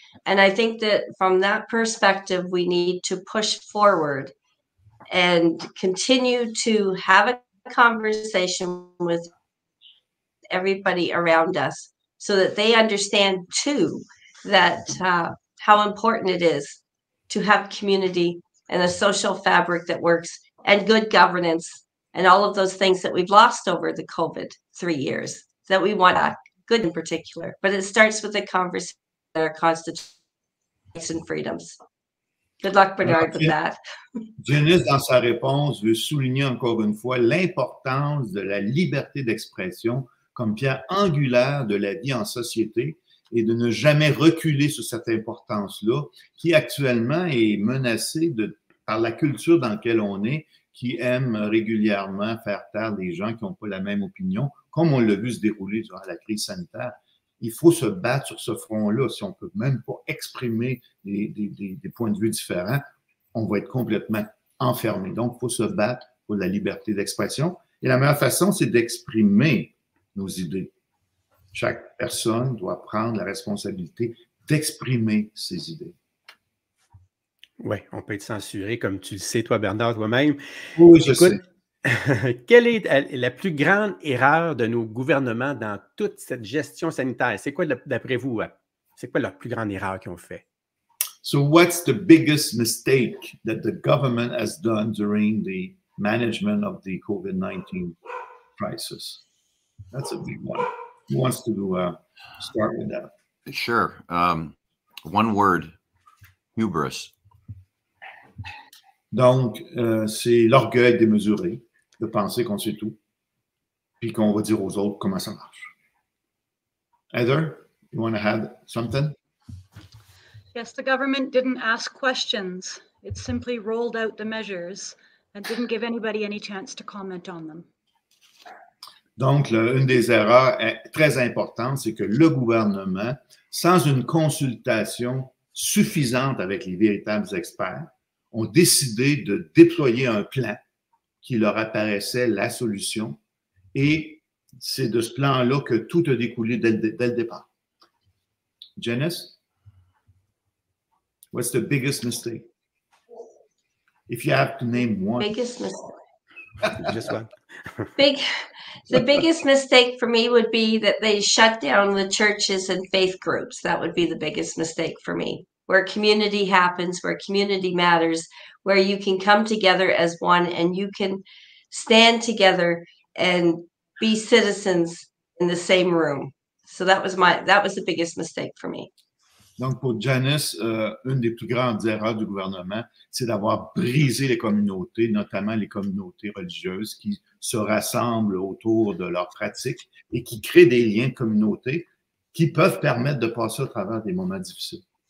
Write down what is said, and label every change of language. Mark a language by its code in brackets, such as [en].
[en] And I think that from that perspective, we need to push forward and continue to have a conversation with everybody around us so that they understand too that how important it is to have community and a social fabric that works and good governance and all of those things that we've lost over the COVID 3 years that we want good in particular. But it starts with a conversation about our constitutions and freedoms. Good luck, Bernard, with that. [fr] Janice, dans sa réponse, veut souligner encore une fois l'importance de la liberté d'expression comme pierre angulaire de la vie en société et de ne jamais reculer sur cette importance-là, qui actuellement est menacée par la culture dans laquelle on est, qui aime régulièrement faire taire les gens qui n'ont pas la même opinion, comme on l'a vu se dérouler durant la crise sanitaire. Il faut se battre sur ce front-là. Si on ne peut même pas exprimer des points de vue différents, on va être complètement enfermé. Donc, il faut se battre pour la liberté d'expression. Et la meilleure façon, c'est d'exprimer nos idées. Chaque personne doit prendre la responsabilité d'exprimer ses idées. Oui, on peut être censuré, comme tu le sais, toi, Bernard, toi-même. Oui, je sais. Quelle est la plus grande erreur de nos gouvernements dans toute cette gestion sanitaire? C'est quoi, d'après vous, c'est quoi leur plus grande erreur qu'ils ont fait? [en] So what's the biggest mistake that the government has done during the management of the COVID-19 crisis? That's a big one. Who wants to start with that? Sure. One word, hubris. [fr] Donc, c'est l'orgueil démesuré de penser qu'on sait tout puis qu'on va dire aux autres comment ça marche. [en] Heather, you want to add something? Yes, the government didn't ask questions. It simply rolled out the measures and didn't give anybody any chance to comment on them. [fr] Donc, une des erreurs très importantes, c'est que le gouvernement, sans une consultation suffisante avec les véritables experts, ont décidé de déployer un plan qui leur apparaissait la solution. Et c'est de ce plan-là que tout a découlé dès le départ. [en] Janice, what's the biggest mistake? If you have to name one. Biggest mistake. Just one. The biggest mistake for me would be that they shut down the churches and faith groups. That would be the biggest mistake for me. Where community happens, where community matters, where you can come together as one and you can stand together and be citizens in the same room. So that was the biggest mistake for me. [fr] Donc pour Janice, une des plus grandes erreurs du gouvernement, c'est d'avoir brisé les communautés, notamment les communautés religieuses qui se rassemblent autour de leurs pratiques et qui créent des liens de communauté qui peuvent permettre de passer à travers des moments difficiles.